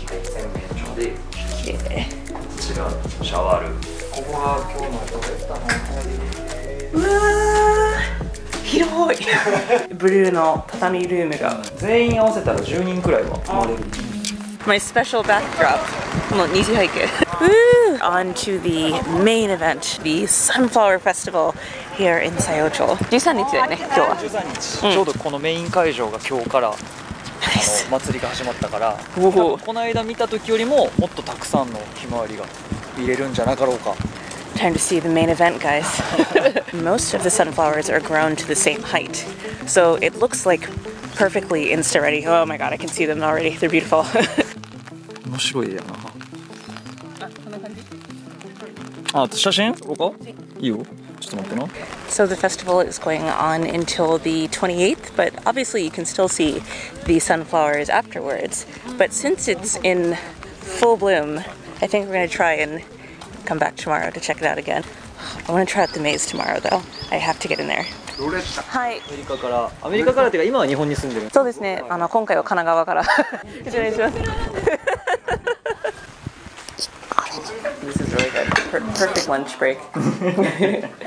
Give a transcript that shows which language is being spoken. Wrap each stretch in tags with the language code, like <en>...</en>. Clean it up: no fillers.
<ja>洗面所で。綺麗。こちらシャワールーム。ここが今日のロレッタの部屋です。 うわー。広い。ブルーの畳ルームが全員合わせたら10人くらいは泊まれる。</ja> <en>My special backdrop.</en> <ja>もう二次背景。</ja> <en>On to the main event, the Sunflower Festival here in Sayocho.</en> <ja>13日だよね、今日は。 13日。ちょうどこのメイン会場が今日から、祭りが始まったから、この間見た時よりももっとたくさんのひまわりが見れるんじゃなかろうか。</ja> <en>Time to see the main event, guys. Most of the sunflowers are grown to the same height, so it looks like perfectly insta ready. Oh my god, I can see them already. They're beautiful.</en> <ja>面白い絵やな。あ、こんな感じ。あ、写真撮ろうか。いいよ。ちょっと待ってな。</ja> <en>So the festival is going on until the 28th, but obviously you can still see the sunflowers afterwards. But since it's in full bloom, I think we're going to try and come back tomorrow to check it out again. I want to try out the maze tomorrow though. I have to get in there.</en> <ja>ロレッタ、はい、アメリカからっていうか今は日本に住んでる。そうですね、あの今回は神奈川から。失礼します。</ja> <en>This is really good. Perfect lunch break.</en>